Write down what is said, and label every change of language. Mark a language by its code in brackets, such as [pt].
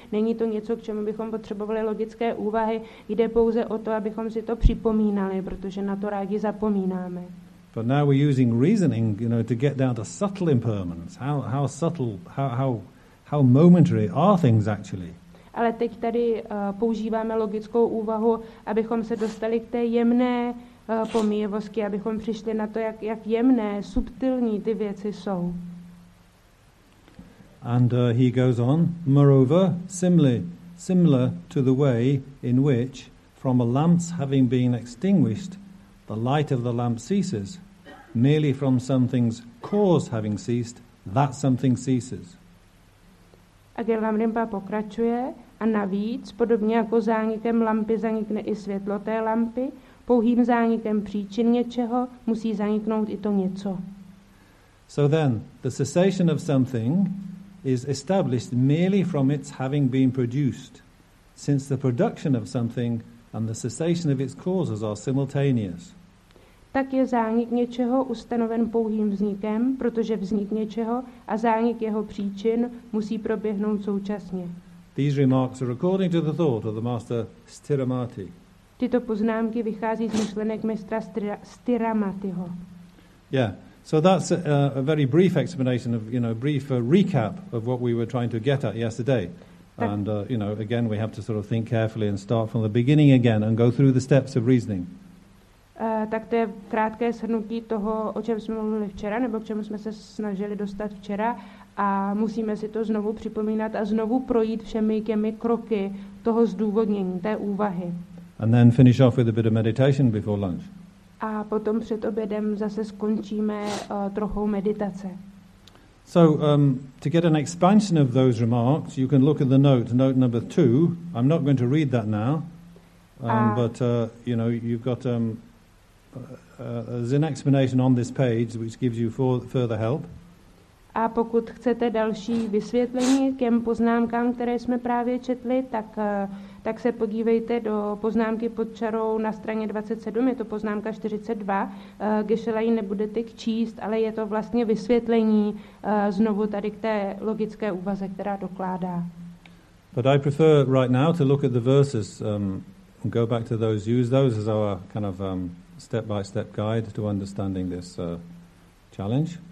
[cs] Není to něco, k čemu bychom potřebovali logické úvahy. Jde pouze o to, abychom si to připomínali, protože na to rádi zapomínáme. [en] But now we're using reasoning, you know, to get down to subtle impermanence. How subtle, how momentary are things actually? [cs] Ale teď tady používáme logickou úvahu, abychom se dostali k té jemné pomíjivosti, abychom přišli na to, jak jemné, subtilní ty věci jsou. [en] And he goes on, moreover, similar to the way in which, from a lamp's having been extinguished, the light of the lamp ceases, merely from something's cause having ceased, that something ceases. [cs] A Gelam Rinpa pokračuje, a navíc, podobně jako zánikem lampy zanikne i světlo té lampy, pouhým zánikem příčin něčeho musí zaniknout i to něco. [en] So then, the cessation of something is established merely from its having been produced, since the production of something and the cessation of its causes are simultaneous. [cs] tak je zánik něčeho ustanoven pouhým vznikem, protože vznik něčeho a zánik jeho příčin musí proběhnout současně. [en] These remarks are according to the thought of the master Stiramati. [cs] Tyto poznámky vychází z myšlenek mistra Stiramatiho. [en] Yeah. So that's a very brief explanation of, you know, brief recap of what we were trying to get at yesterday. And you know, again we have to sort of think carefully and start from the beginning again and go through the steps of reasoning. [cs] Tak to je krátké shrnutí toho, o čem jsme mluvili včera, nebo k čemu jsme se snažili dostat včera, a musíme si to znovu připomínat a znovu projít všemi těmi kroky toho zdůvodnění, té úvahy. [en] And then finish off with a bit of meditation before lunch. [cs] A potom před obědem zase skončíme trochou meditace. [en] So to get an expansion of those remarks, you can look at the note number 2. I'm not going to read that now, there's an explanation on this page which gives you further help. [cs] A pokud chcete další vysvětlení k těm poznámkám, které jsme právě četli, tak se podívejte do poznámky pod čarou na straně 27, je to poznámka 42. Geshe-la ji nebudete číst, ale je to vlastně vysvětlení znovu tady k té logické úvaze, která dokládá. [en] But I prefer right now to look at the verses, go back to those, use those as our kind of step-by-step guide to understanding this challenge.